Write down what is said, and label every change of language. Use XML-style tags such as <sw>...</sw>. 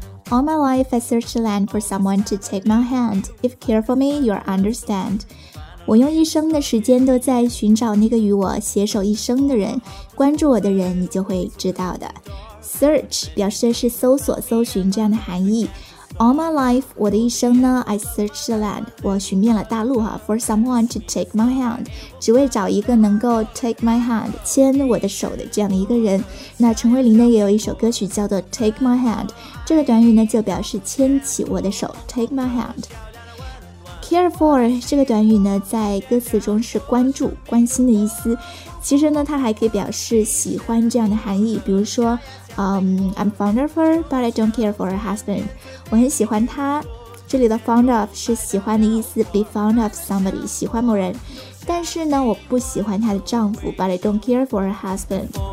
<en>All my life I searched the land for someone to take my hand. If care for me, you'll understand.</en> <zh>我用一生的时间都在寻找那个与我携手一生的人，关注我的人你就会知道的。 Search 表示的是搜索搜寻这样的含义。</zh> <en>All my life</en> <zh>我的一生呢，</zh> <en>I searched the land</en> <zh>我寻遍了大陆哈，</zh> <en>For someone to take my hand</en> <zh>只为找一个能够</zh> <en>take my hand</en> <zh>牵我的手的这样的一个人。那陈慧琳呢也有一首歌曲叫做 Take my hand，这个短语呢就表示牵起我的手，</zh> <en>take my hand。</en> <zh>care for 这个短语呢在歌词中是关注关心的意思，其实呢它还可以表示喜欢这样的含义，比如说、</zh> <en>I'm fond of her but I don't care for her husband，</en> <zh>我很喜欢她，这里的 fond of 是喜欢的意思， be fond of somebody 喜欢某人，但是呢我不喜欢她的丈夫，</zh> <en>but I don't care for her husband。</en>